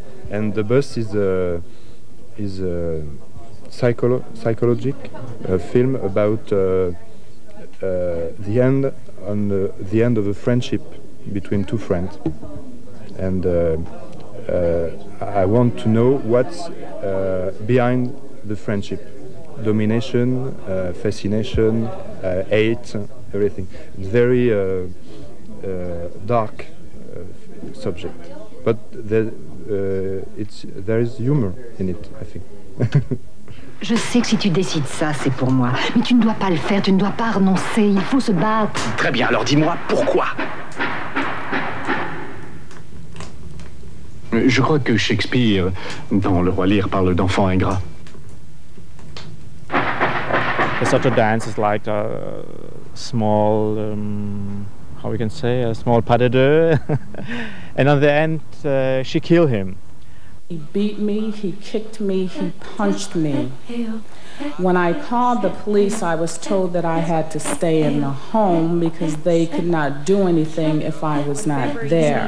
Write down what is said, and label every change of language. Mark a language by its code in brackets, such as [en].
[en] And the bus is a psychologic film about the end on the end of a friendship between two friends, and I want to know what's behind the friendship: domination, fascination, hate, everything. Very dark subject, but there is humor in it, I think. [fr] Je sais que si tu décides ça, c'est pour moi. Mais tu ne dois pas le faire, tu ne dois pas renoncer, il faut se battre. Très bien, alors dis-moi pourquoi. Je crois que Shakespeare, dans Le Roi Lear, parle d'enfants ingrats. [en] It's such a dance, it's like a small, how we can say, a small pas de deux. And on the end, she killed him. He beat me, he kicked me, he punched me. When I called the police, I was told that I had to stay in the home because they could not do anything if I was not there.